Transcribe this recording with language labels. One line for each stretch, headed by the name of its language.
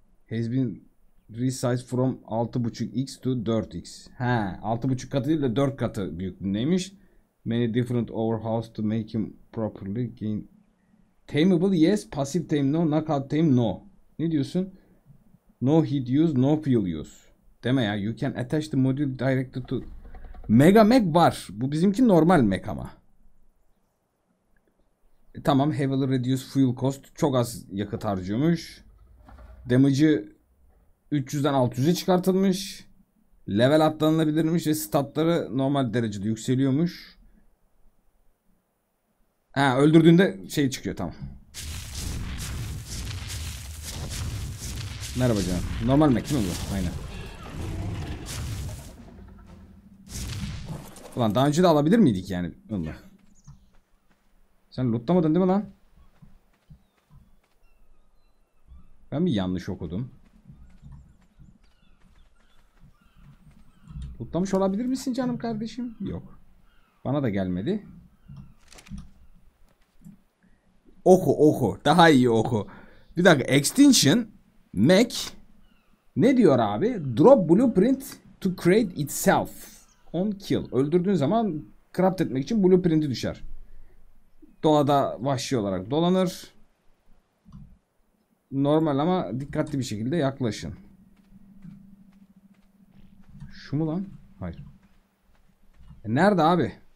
English: Has been resized from 6.5x to 4x. He.
Turkish: 6.5 katı değil de 4 katı büyüklüğündeymiş.
English: Many different overhauls to make him properly gain... Tameable yes. Passive tame no. Knockout tame no.
Turkish: Ne diyorsun?
English: No heat use, no fuel use.
Turkish: Deme ya.
English: You can attach the module directly to...
Turkish: Mega Mac var. Bu bizimki normal Mac ama. Tamam.
English: Heavily reduce fuel cost.
Turkish: Çok az yakıt harcıyormuş. Damage'ı 300'den 600'e çıkartılmış. Level atlanabilirmiş ve statları normal derecede yükseliyormuş. Ha, öldürdüğünde şey çıkıyor. Tamam. Merhaba canım. Normal Mac değil mi bu? Aynen. Ulan daha önce de alabilir miydik yani? Allah. Sen lootlamadın değil mi lan? Ben mi yanlış okudum? Lootlamış olabilir misin canım kardeşim? Yok. Bana da gelmedi. Oku oku. Daha iyi oku. Bir dakika. Extinction. Mac. Ne diyor abi?
English: Drop blueprint to create itself. On kill.
Turkish: Öldürdüğün zaman craft etmek için blueprinti düşer. Doğada vahşi olarak dolanır. Normal ama dikkatli bir şekilde yaklaşın. Şu mu lan? Hayır. Nerede abi?